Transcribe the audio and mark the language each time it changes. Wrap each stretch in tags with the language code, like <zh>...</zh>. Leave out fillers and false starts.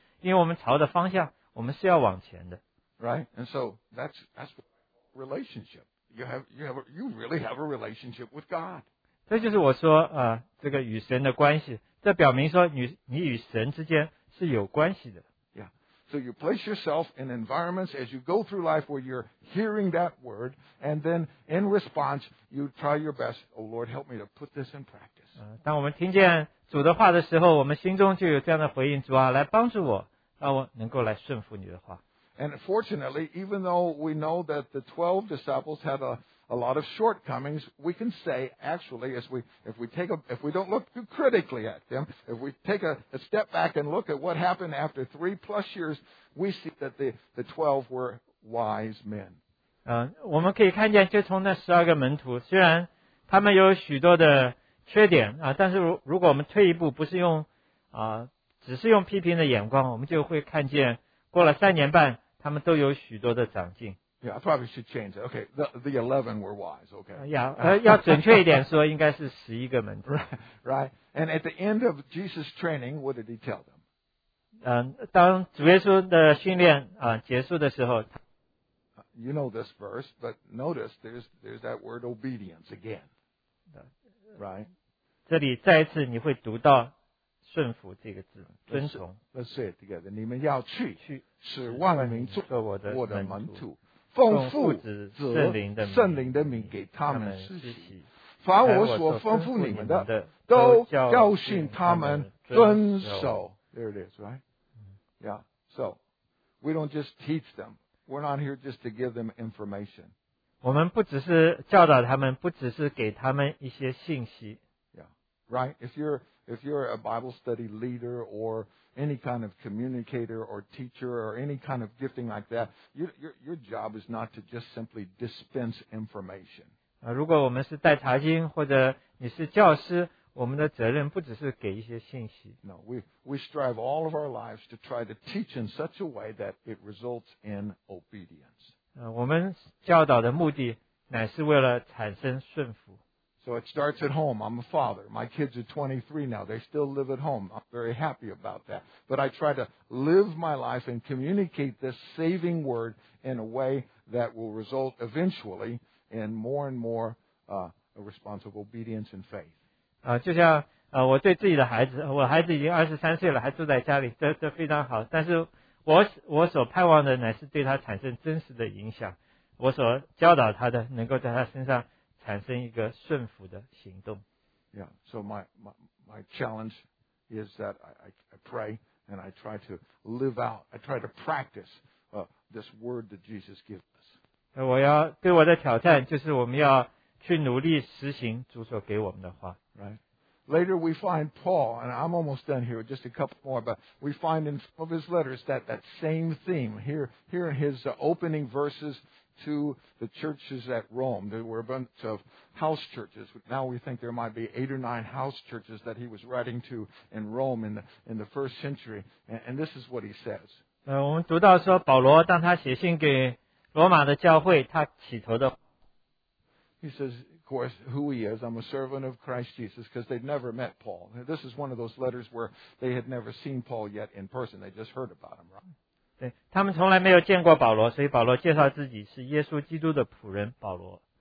<zh>我再一次说，这不是说要我们完全，甚至你可能往前走了两步，又往后退了一步，这都没有关系，因为我们朝的方向，我们是要往前的。Right,</zh> <en>and so that's relationship. You really have a relationship with God.</en> <zh>这就是我说这个与神的关系，这表明说你与神之间是有关系的。</zh> <en>Yeah, So you place yourself in environments as you go through life where you're hearing that word, and then in response, you try your best, oh Lord, help me to put this in practice.</en> <zh>当我们听见主的话的时候，我们心中就有这样的回应，主啊，来帮助我，让我能够来顺服你的话。</zh> <en>And fortunately, even though we know that the 12 disciples had a lot of shortcomings, we can say, actually, if we don't look too critically at them, if we take a step back and look at what happened after 3+ years, we see that the 12 were wise men.</en> <zh>我们可以看见，就从那十二个门徒，虽然他们有许多的缺点啊，但是如果我们退一步，不是用啊，只是用批评的眼光，我们就会看见。过了三年半，他们都有许多的长进。</zh> <en>Yeah, I probably should change it. Okay, the 11 were wise. Okay.</en> <zh>Yeah, 要准确一点说，应该是十一个门徒。</zh> <en>Right. And at the end of Jesus' training, what did he tell them?</en> <zh>当主耶稣的训练啊结束的时候</zh> <en>，You know this verse, but notice there's that word obedience again. Right.</en> <zh>这里再一次你会读到。顺服这个字，遵从。</zh> <en>Let's say it together.</en> <zh>你们要去，使万民做我的门徒，奉父、子、圣灵的名给他们施洗。凡我所吩咐你们的，都教训他们遵守。</zh> <en>There it is, right? Yeah. So we don't just teach them. We're not here just to give them information.</en> <zh>我们不只是教导他们，不只是给他们一些信息。</zh> <en>Yeah. Right? If you're a Bible study leader or any kind of communicator or teacher or any kind of gifting like that, your job is not to just simply dispense information.</en> <zh>如果我们是带查经或者你是教师，我们的责任不只是给一些信息。</zh> <en>No, we strive all of our lives to try to teach in such a way that it results in obedience.</en> <zh>我们教导的目的乃是为了产生顺服。</zh> <en>So it starts at home. I'm a father. My kids are 23 now. They still live at home. I'm very happy about that. But I try to live my life and communicate this saving word in a way that will result eventually in more and more a response of obedience and faith.</en> <zh>就像我对自己的孩子，我孩子已经23岁了，还住在家里，这非常好。但是我所盼望的乃是对他产生真实的影响，我所教导他的能够在他身上。产生一个顺服的行动。</zh> <en>Yeah, so my challenge is that I pray and I try to live out, I try to practice this word that Jesus gives us.</en> <zh>我要对我的挑战就是我们要去努力实行主所给我们的话。</zh> <en>Right. Later we find Paul, and I'm almost done here with just a couple more, but we find in some of his letters that same theme here in his opening verses. To the churches at Rome. There were a bunch of house churches. Now we think there might be 8 or 9 house churches that he was writing to in Rome in the first century. And this is what he says.</en> <zh>我们读到说保罗当他写信给罗马的教会他起头的</zh> <en>He says, of course, who he is. I'm a servant of Christ Jesus because they'd never met Paul. This is one of those letters where they had never seen Paul yet in person. They just heard about him, right?</en> <zh>对他们从来没有见过保罗，所以保罗介绍自己是耶稣基督的仆人保罗。</zh>